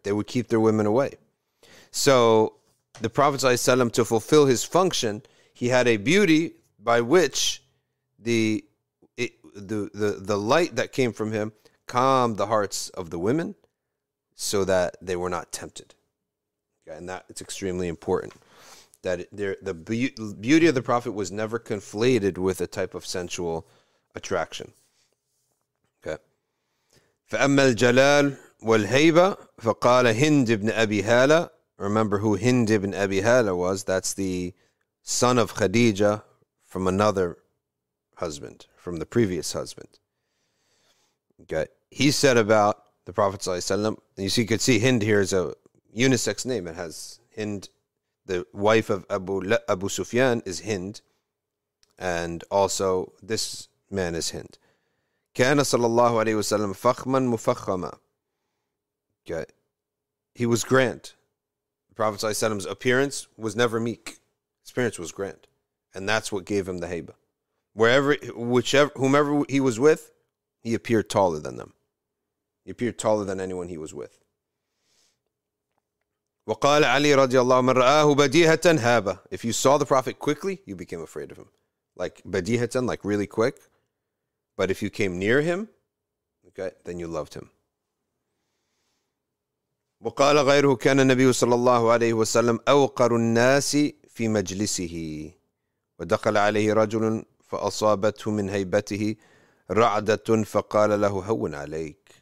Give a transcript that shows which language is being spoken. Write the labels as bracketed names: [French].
[English] They would keep their women away. So the Prophet ﷺ, to fulfill his function, he had a beauty by which the light that came from him calmed the hearts of the women so that they were not tempted. Okay, and that it's extremely important that the beauty of the Prophet was never conflated with a type of sensual attraction. [Arabic] فأما الجلال والهيبة فقال هند بن أبي هالة. [English] Remember who Hind ibn Abi Hala was. That's the son of Khadija from another husband, from the previous husband. Okay. He said about the Prophet ﷺ, you see, you could see Hind here is a unisex name. It has Hind, the wife of Abu Sufyan is Hind, and also this man is Hind. [Arabic] كان صلى الله عليه وسلم فخما مفخما. [English] He was grand. The Prophet ﷺ's appearance was never meek. His appearance was grand. And that's what gave him the haiba. Whomever he was with, he appeared taller than them. He appeared taller than anyone he was with. [Arabic] وقال علي رضي الله من رآه بديهة هابة. [English] If you saw the Prophet quickly, you became afraid of him. Like بديهة, like really quick. But if you came near him, okay, then you loved him. [Arabic] وقال غيره كان النبي صلى الله عليه وسلم أوقر الناس في مجلسه ودخل عليه رجل فأصابته من هيبته رعدة فقال له هون عليك.